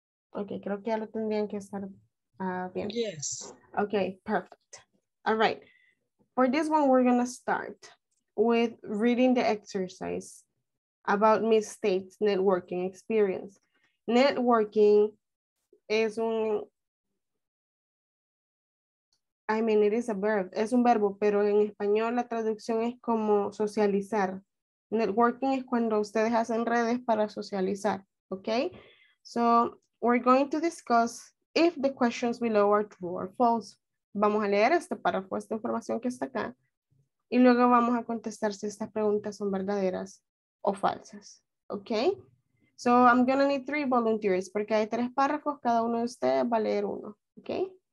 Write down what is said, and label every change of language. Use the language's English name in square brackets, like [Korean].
[Spanish] Ok, creo que ya lo tendrían que estar bien. [English] Yes. Ok, perfect. All right. For this one, we're going to start with reading the exercise about Miss State's networking experience. Networking is un... I mean, it is a verb. [Spanish] Es un verbo, pero en español la traducción es como socializar. Networking es cuando ustedes hacen redes para socializar. [English] Ok. So... we're going to discuss if the questions below are true or false. [Spanish] Vamos a leer este párrafo, esta información que está acá. Y luego vamos a contestar si estas preguntas son verdaderas o falsas. Ok. [English] So I'm going to need three volunteers [Spanish] porque hay tres párrafos. Cada uno de ustedes va a leer uno. Ok.